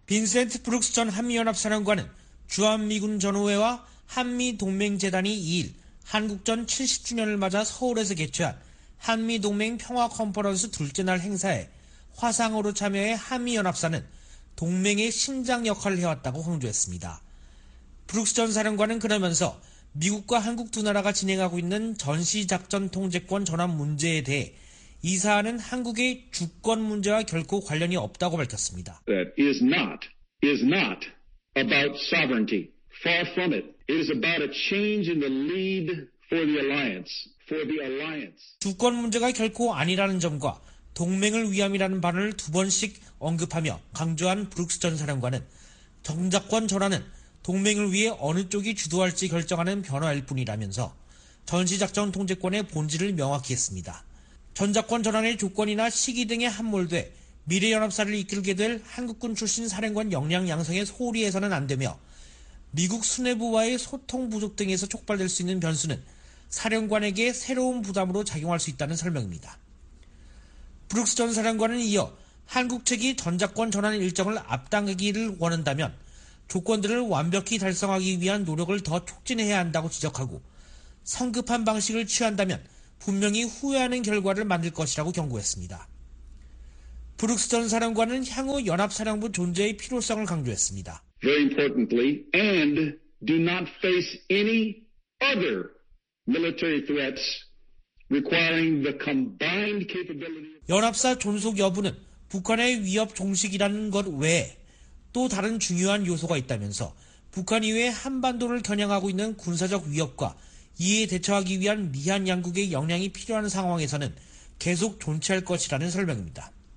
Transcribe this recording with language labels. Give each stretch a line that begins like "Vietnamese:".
Korean: 빈센트 브룩스 전 한미연합사령관은 주한미군 전우회와 한미동맹재단이 2일 한국전 70주년을 맞아 서울에서 개최한 한미동맹 평화 컨퍼런스 둘째 날 행사에 화상으로 참여해 한미연합사는 동맹의 심장 역할을 해왔다고 강조했습니다. 브룩스 전 사령관은 그러면서 미국과 한국 두 나라가 진행하고 있는 전시작전통제권 전환 문제에 대해 이 사안은 한국의 주권 문제와 결코 관련이 없다고 밝혔습니다.
English: That is not about sovereignty. Far from it. It is about a change in the lead for the alliance. For the alliance.
Korean: 주권 문제가 결코 아니라는 점과 동맹을 위함이라는 반을 두 번씩 언급하며 강조한 브룩스 전 사령관은 정작권 전환은 동맹을 위해 어느 쪽이 주도할지 결정하는 변화일 뿐이라면서 전시작전 통제권의 본질을 명확히 했습니다. 전작권 전환의 조건이나 시기 등에 함몰돼 미래연합사를 이끌게 될 한국군 출신 사령관 역량 양성에 소홀히 해서는 안 되며 미국 수뇌부와의 소통 부족 등에서 촉발될 수 있는 변수는 사령관에게 새로운 부담으로 작용할 수 있다는 설명입니다. 브룩스 전 사령관은 이어 한국 측이 전작권 전환 일정을 앞당기기를 원한다면 조건들을 완벽히 달성하기 위한 노력을 더 촉진해야 한다고 지적하고 성급한 방식을 취한다면 분명히 후회하는 결과를 만들 것이라고 경고했습니다. 브룩스 전 사령관은 향후 연합사령부 존재의 필요성을 강조했습니다.
English: Very importantly, and do not face any other military threats requiring the combined capability.
Korean: 연합사 존속 여부는 북한의 위협 종식이라는 것 외에 또 다른 중요한 요소가 있다면서 북한 이외 한반도를 겨냥하고 있는 군사적 위협과 이에 대처하기 위한 미한 양국의 역량이 필요한 상황에서는 계속 존재할 것이라는 설명입니다.